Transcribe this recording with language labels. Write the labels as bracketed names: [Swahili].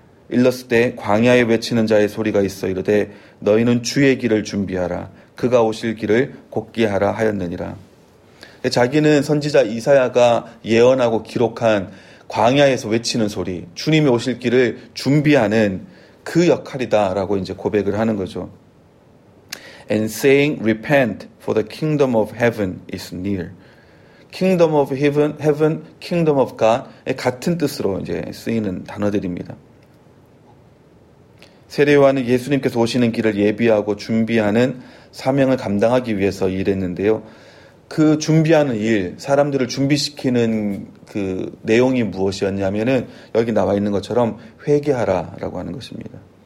[Korean] 일렀을 때 광야에 외치는 자의 소리가 있어 이르되, 너희는 주의 길을 준비하라, 그가 오실 길을 곧게 하라 하였느니라. 자기는 선지자 이사야가 예언하고 기록한 광야에서 외치는 소리, 주님이 오실 길을 준비하는 그 역할이다라고 이제 고백을 하는 거죠. [English] And saying, repent, for the kingdom of heaven is near. Kingdom of heaven, kingdom of God [Korean] 의 같은 뜻으로 이제 쓰이는 단어들입니다. 세례 요한은 예수님께서 오시는 길을 예비하고 준비하는 사명을 감당하기 위해서 일했는데요. 그 준비하는 일, 사람들을 준비시키는 그 내용이 무엇이었냐면은 여기 나와 있는 것처럼 회개하라라고 하는 것입니다.